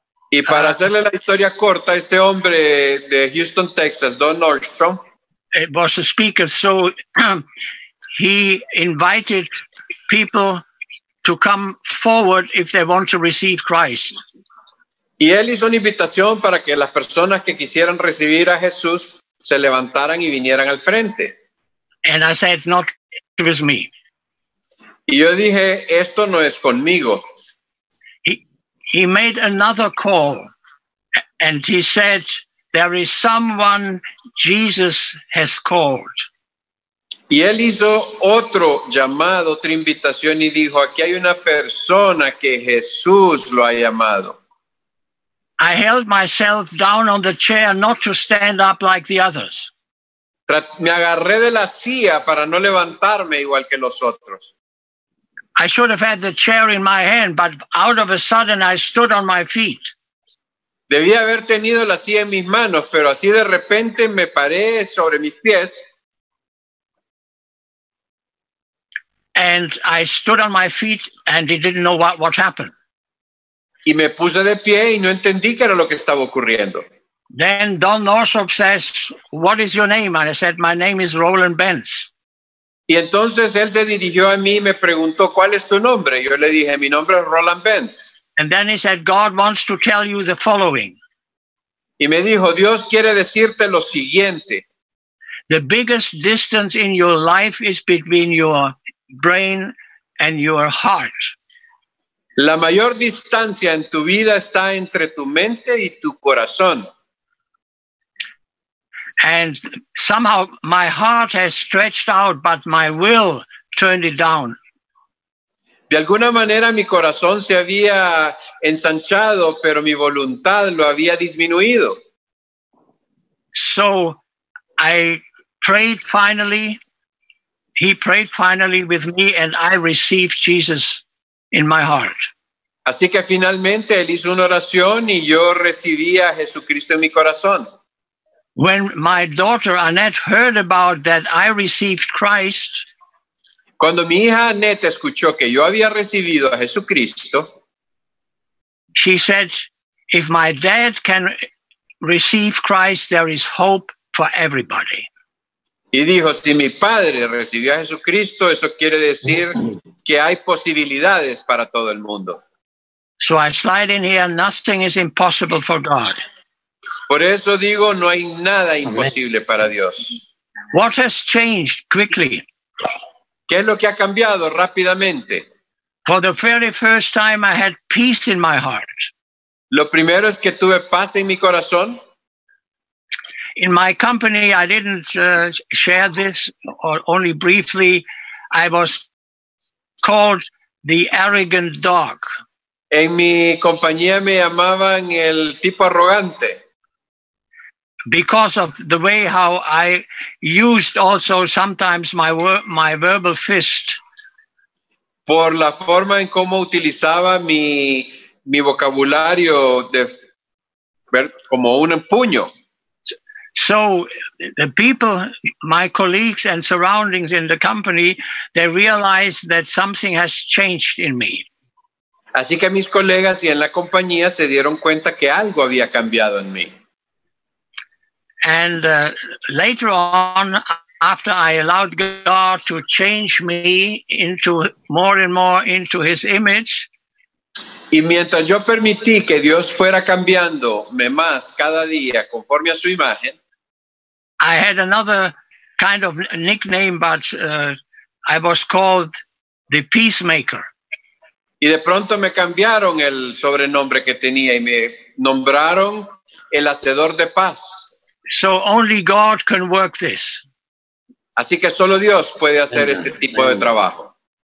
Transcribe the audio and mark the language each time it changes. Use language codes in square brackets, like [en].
[es] Y para hacerle la historia corta, este hombre de Houston, Texas, Don Northrop. [en] It was a speaker, so he invited people to come forward if they want to receive Christ. [es] Y él hizo una invitación para que las personas que quisieran recibir a Jesús se levantaran y vinieran al frente. [en] And I said, not with me. [es] Y yo dije, esto no es conmigo. [en] He made another call and he said, there is someone Jesus has called. [es] Y él hizo otro llamado, otra invitación y dijo, aquí hay una persona que Jesús lo ha llamado. [en] I held myself down on the chair not to stand up like the others. [es] Me agarré de la silla para no levantarme igual que los otros. [en] I should have had the chair in my hand, but out of a sudden I stood on my feet. [es] Debía haber tenido la silla en mis manos, pero así de repente me paré sobre mis pies. [en] And I stood on my feet and I didn't know what happened. [es] Y me puse de pie y no entendí qué era lo que estaba ocurriendo. [en] Then Don Northrop says, "What is your name?" And I said, "My name is Roland Benz." [es] Y entonces él se dirigió a mí y me preguntó, "¿Cuál es tu nombre?" Yo le dije, "Mi nombre es Roland Benz." [en] And then he said, "God wants to tell you the following." [es] Y me dijo, "Dios quiere decirte lo siguiente." [en] The biggest distance in your life is between your brain and your heart. [es] La mayor distancia en tu vida está entre tu mente y tu corazón. [en] And somehow my heart has stretched out, but my will turned it down. [es] De alguna manera mi corazón se había ensanchado, pero mi voluntad lo había disminuido. [en] So I prayed finally. He prayed finally with me, and I received Jesus in my heart. [es] Así que finalmente él hizo una oración y yo recibí a Jesucristo en mi corazón. [en] When my daughter Annette heard about that I received Christ, [es] cuando mi hija Annette escuchó que yo había recibido a Jesucristo, [en] she said, "If my dad can receive Christ, there is hope for everybody." [es] Y dijo, si mi padre recibió a Jesucristo, eso quiere decir que hay posibilidades para todo el mundo. [en] So I slide in here, nothing is impossible for God. [es] Por eso digo, no hay nada imposible para Dios. [en] What has changed quickly? [es] ¿Qué es lo que ha cambiado rápidamente? [en] For the very first time I had peace in my heart. [es] Lo primero es que tuve paz en mi corazón. [en] In my company, I didn't share this, or only briefly, I was called the arrogant dog. [es] En mi compañía me llamaban el tipo arrogante. [en] Because of the way how I used also sometimes my verbal fist. [es] Por la forma en cómo utilizaba mi vocabulario de ver como un puño. [en] So the people, my colleagues and surroundings in the company, they realized that something has changed in me. [es] Así que mis colegas y en la compañía se dieron cuenta que algo había cambiado en mí. [en] And later on, after I allowed God to change me into more and more into his image, [es] y mientras yo permití que Dios fuera cambiándome más cada día conforme a su imagen, [en] I had another kind of nickname, but I was called the peacemaker. [es] Y de pronto me cambiaron el sobrenombre que tenía y me nombraron el hacedor de paz. [en] So only God can work this. [es] Así que solo Dios puede hacer este tipo de trabajo.